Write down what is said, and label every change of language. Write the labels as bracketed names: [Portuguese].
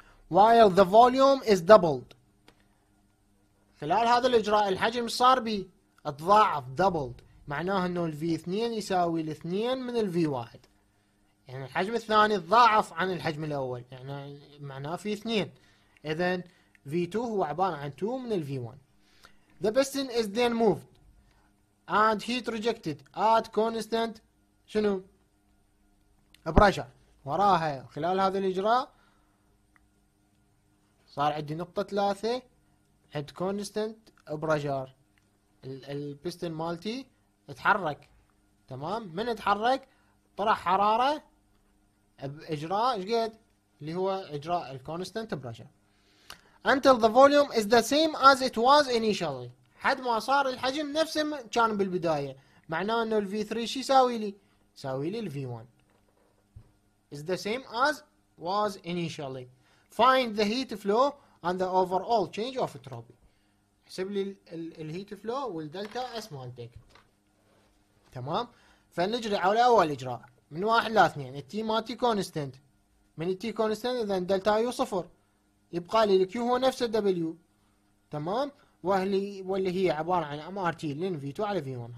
[English] while the volume is doubled، [Arabic] خلال هذا الاجراء الحجم صار بي اتضاعف دبلد، معناه انه الفي 2 يساوي الاثنين من الفي 1، يعني الحجم الثاني تضاعف عن الحجم الاول، يعني معناه في 2. اذا في 2 هو عباره عن 2 من الفي 1. [English] The piston is then moved and heat rejected at constant [Arabic] شنو؟ [English] pressure. [Arabic] وراها خلال هذا الاجراء صار عندي نقطة 3 [English] at constant pressure. [Arabic] البستن مالتي اتحرك تمام، من اتحرك طرح حرارة باجراء ايش قد؟ اللي هو اجراء الكونستنت بريشر. [English] until the volume is the same as it was initially، [Arabic] حد ما صار الحجم نفسه كان بالبداية، معناه انه الفي 3 شو يساوي لي؟ يساوي لي الفي 1. [English] is the same as was initially. find the heat flow and the overall change of entropy. [Arabic] احسب لي الهيت فلو والدلتا اس مالتك تمام. فنجري على اول اجراء من 1 ل 2، التي مالتي كونستنت، من التي كونستنت اذا دلتا يو صفر، يبقى لي الكيو هو نفس الدبليو تمام، واللي هي عباره عن ام ار تي لين في 2 على في 1.